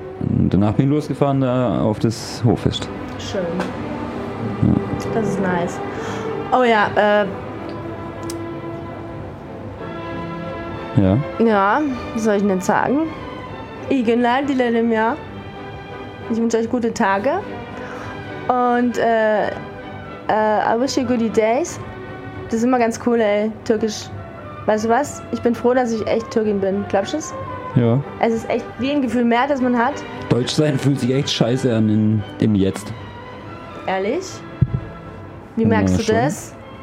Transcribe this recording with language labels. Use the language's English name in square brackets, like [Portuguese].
[German] Und danach bin ich losgefahren da auf das Hoffest. Schön. Ja. Das ist nice. Oh ja, Ja? Ja, was soll ich denn sagen? Ich bin leid, die Lele im Jahr. Ich wünsche euch gute Tage. [English] Und, I wish you goodie days. [German] Das ist immer ganz cool, ey, türkisch. Weißt du was? Ich bin froh, dass ich echt Türkin bin. Glaubst du es? Ja. Es ist echt wie ein Gefühl mehr, das man hat. Deutsch sein fühlt sich echt scheiße an im Jetzt. Ehrlich? Wie merkst du das?